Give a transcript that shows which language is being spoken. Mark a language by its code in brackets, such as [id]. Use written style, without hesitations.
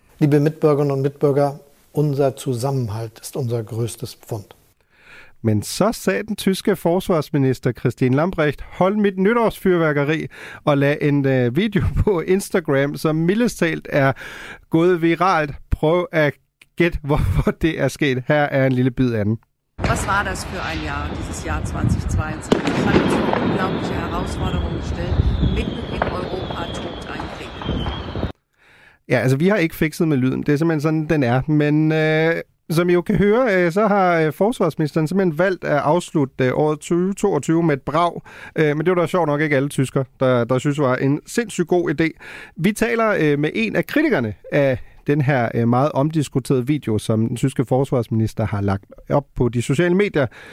[de] Liebe Mitbürgerinnen und Mitbürger, unser Zusammenhalt ist unser größtes Pfund. [da] Men så sagde den tyske forsvarsminister Christine Lambrecht, hold mit nytårsfyrværkeri og lad en video på Instagram, som mildest talt er gået viralt. Prøv at gætte, hvorfor det er sket. Her er en lille bid af den. [de] Was war das für ein Jahr, dieses Jahr 2022? Es hat uns vor unglaubliche Herausforderungen gestellt. Mitten in Europa tobt ein Krieg. [da] Ja, altså vi har ikke fikset med lyden. Det er simpelthen sådan, den er. Men som I jo kan høre, så har forsvarsministeren simpelthen valgt at afslutte året 2022 med et brag. Men det var da sjovt nok ikke alle tysker, der synes var en sindssygt god idé. Vi taler med en af kritikerne af den her meget omdiskuterede video, som den tyske forsvarsminister har lagt op på de sociale medier.